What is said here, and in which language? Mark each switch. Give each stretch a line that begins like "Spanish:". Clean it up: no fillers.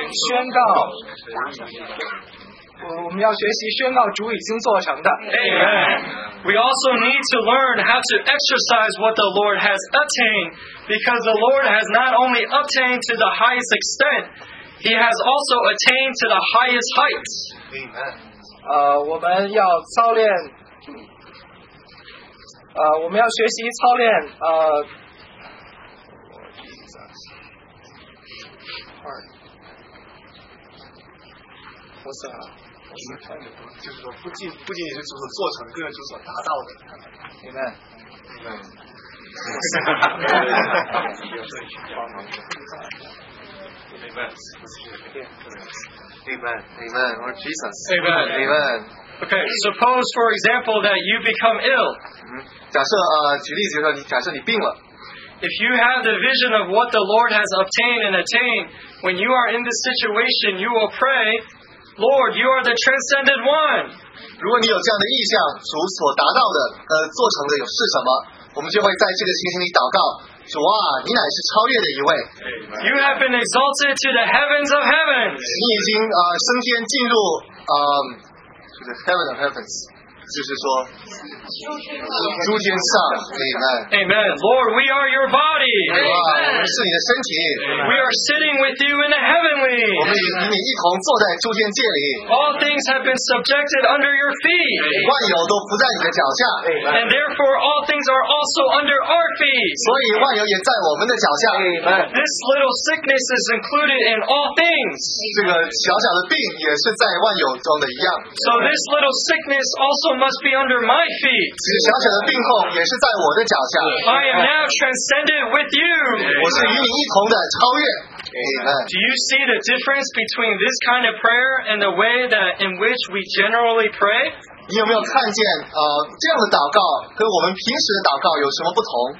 Chinese: 宣告我们要学习宣告主已经做成的。
English: Amen. We also need to learn how to exercise what the Lord has attained, because the Lord has not only attained to the highest extent, He has also attained to the highest heights. Amen.
Chinese: 我们要操练，我们要学习操练，就是说不仅是就是做成，更是就是说达到的。明白。
English: Amen. Lord Jesus. Amen. Amen. Okay. Suppose, for example, that you become ill.
Chinese: 假设举例子说你假设你病了。
English: If you have the vision of what the Lord has obtained and attained, when you are in this situation, you will pray. Lord, you are the transcendent one.
Chinese: 如果你有这样的意象，主所达到的，做成的是什么？我们就会在这个情形里祷告，主啊，你乃是超越的一位。
English: You have been exalted to the heavens of heavens.
Chinese: 你已经升天进入
English: to the heaven of heavens.
Chinese: 就是说诸天上
English: Amen Lord we are your body
Chinese: 我们是你的身体
English: We are sitting with you in the heavenly
Chinese: 我们与你一同坐在诸天界里
English: All things have been subjected under your feet
Chinese: 万有都伏在你的脚下
English: And therefore all things are also under our feet
Chinese: 所以万有也在我们的脚下
English: This little sickness is included in all things
Chinese: 这个小小的病也是在万有中的一样
English: So this little sickness also must be under my feet
Chinese: 这个小小的病痛也是在我的脚下
English: I am now transcended with you
Chinese: 我是与你一同的超越 Amen
English: Do you see the difference between this kind of prayer and the way that in which we generally pray?
Chinese: 你有没有看见这样的祷告跟我们平时的祷告有什么不同